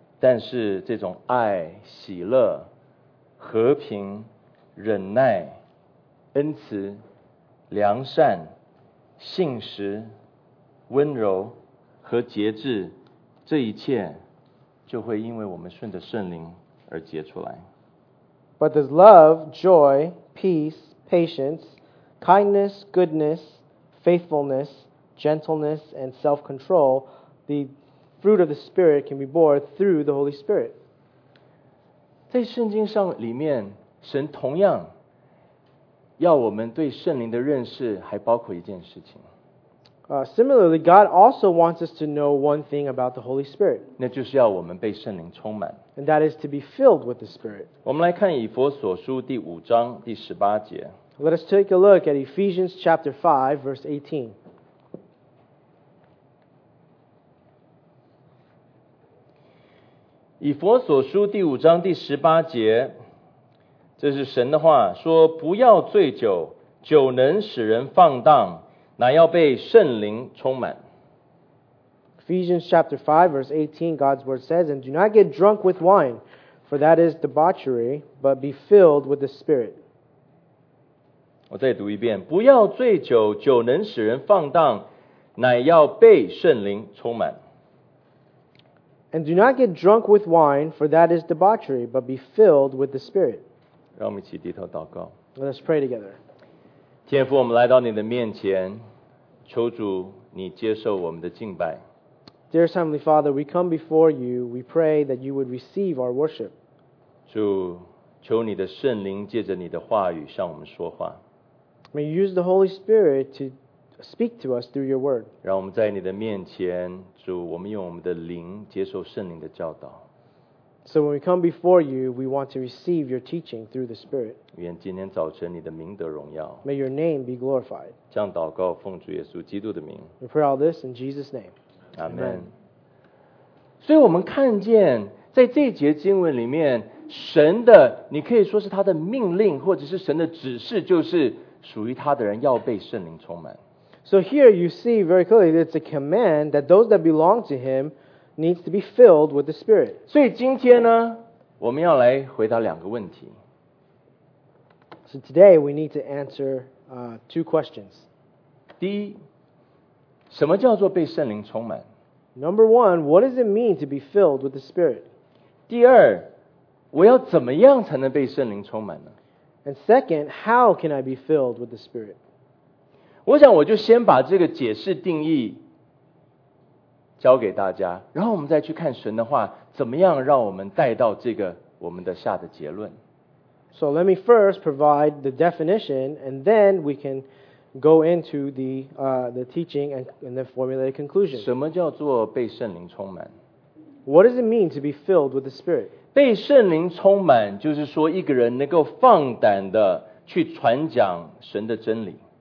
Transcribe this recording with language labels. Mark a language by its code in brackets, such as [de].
[zh] 但是这种爱、喜乐、和平、忍耐、恩慈、良善、信实、温柔和节制，这一切就会因为我们顺着圣灵而结出来。 [en] But there's love, joy, peace, patience, kindness, goodness, faithfulness, gentleness, and self-control. The fruit of the Spirit can be born through the Holy Spirit. [zh] 在圣经上里面，神同样要我们对圣灵的认识，还包括一件事情。 [en] Similarly, God also wants us to know one thing about the Holy Spirit. [zh] 那就是要我们被圣灵充满。 [en] And that is to be filled with the Spirit. [zh] 我们来看以弗所书第五章第十八节。 [en] Let us take a look at Ephesians chapter 5, verse 18. [zh] 以弗所书第五章第十八节，这是神的话，说不要醉酒，酒能使人放荡。乃要被圣灵充满。 [en] Ephesians chapter 5 verse 18, God's word says, And do not get drunk with wine, for that is debauchery, but be filled with the Spirit. [zh] 我再读一遍，不要醉酒，酒能使人放荡，乃要被圣灵充满。 [en] And do not get drunk with wine, for that is debauchery, but be filled with the Spirit. [zh] 让我们一起低头祷告。 [en] Let's pray together. [zh] 天父，我们来到你的面前，求主你接受我们的敬拜。 [en] Dear Heavenly Father, we come before you. We pray that you would receive our worship. [zh] 主，求你的圣灵借着你的话语向我们说话。 [en] May you use the Holy Spirit to speak to us through your word. [zh] 让我们在你的面前，主，我们用我们的灵接受圣灵的教导。 [en] So when we come before you, we want to receive your teaching through the Spirit. [zh] 愿今天早晨你的名得荣耀。 [en] May your name be glorified. [zh] 这样祷告，奉主耶稣基督的名。 [en] We pray all this in Jesus' name. Amen. [zh] 所以我们看见在这节经文里面，神的，你可以说是他的命令，或者是神的指示，就是属于他的人要被圣灵充满。 [en] So here you see very clearly that it's a command that those that belong to him needs to be filled with the Spirit. [zh] 所以今天呢，我们要来回答两个问题。 [en] So today we need to answer two questions. [zh] 第一，什么叫做被圣灵充满？ [en] Number one, what does it mean to be filled with the Spirit? [zh] 第二，我要怎么样才能被圣灵充满呢？ [en] And second, how can I be filled with the Spirit? [zh] 我想我就先把这个解释定义交给大家，然后我们再去看神的话，怎么样让我们带到这个我们的下的结论。 [en] So let me first provide the definition, and then we can go into the teaching and then formulate a conclusion. [zh] 什么叫做被圣灵充满？ [en] What does it mean to be filled with the Spirit? [zh] 被圣灵充满就是说一个人能够放胆的去传讲神的真理。